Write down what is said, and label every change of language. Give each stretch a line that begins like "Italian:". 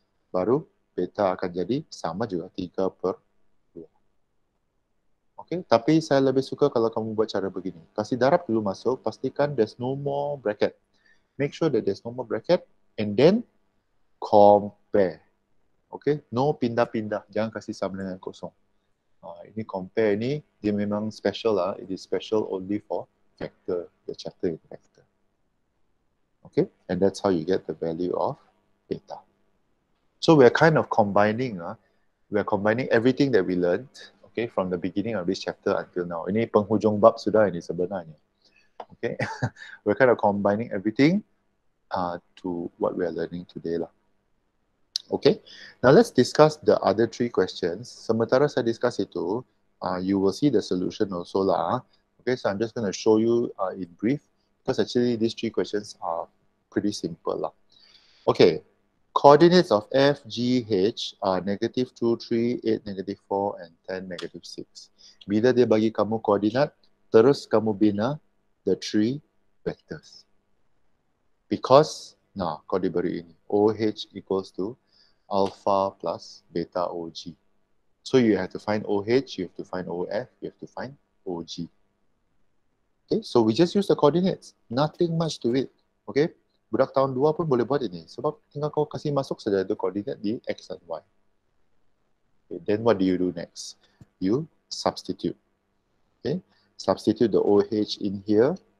Malay: Baru beta akan jadi sama juga 3 per 2. Okay, tapi saya lebih suka kalau kamu buat cara begini. Kasih darab dulu masuk. Pastikan
English: there's no more bracket. Make sure that there's no more bracket. And then compare. Okay, no
Malay: pindah-pindah. Jangan kasih sama dengan kosong. Ini compare ini, dia memang special lah.
English: It is special only for factor, the chapter in factor. Okay, and that's how you get the value of beta. So we're kind of combining, we're combining everything that we learned, okay, from the beginning of this chapter until now.
Malay: Ini penghujung bab sudah ini sebenarnya.
English: Okay, we're kind of combining everything to what we're learning today lah. Okay, now let's discuss the other three questions.
Malay: Sementara saya discuss itu,
English: you will see the solution also lah. Okay, so I'm just going to show you in brief, because actually these three questions are pretty simple lah. Okay, coordinates of F, G, H are negative 2, 3, 8, negative 4, and 10, negative 6.
Malay: Bila dia bagi kamu koordinat, terus kamu bina
English: the three vectors. Because, nah,
Malay: kau diberi ini,
English: OH equals to alpha plus beta OG. So you have to find OH, you have to find OF, you have to find OG. Okay, so we just use the coordinates. Nothing much to it.
Malay: Okay, budak tahun 2 pun boleh buat ini. Sebab tinggal kau kasih masuk saja itu koordinat di X dan Y.
English: Okay, then what do you do next? You substitute. Okay, substitute the OH in here.